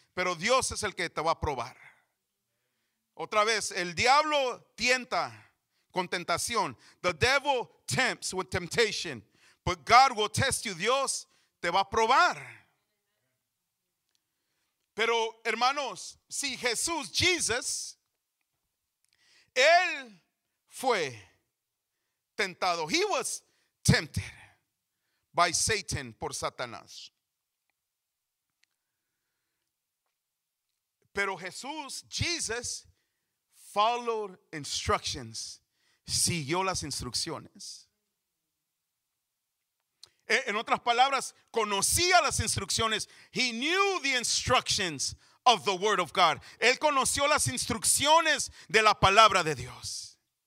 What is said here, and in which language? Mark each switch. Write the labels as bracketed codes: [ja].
[es] Pero Dios es el que te va a probar. Otra vez, el diablo tienta con tentación. [en] The devil tempts with temptation, but God will test you. [es] Dios te va a probar. Pero hermanos, si Jesús, Jesus, él fue tentado. [en] He was tempted by Satan, [es] por Satanás. [en] Pero Jesús, Jesus, followed instructions. [es] Siguió las instrucciones. En otras palabras, conocía las instrucciones. [en] He knew the instructions of the word of God. [es] Él conoció las instrucciones de la palabra de Dios.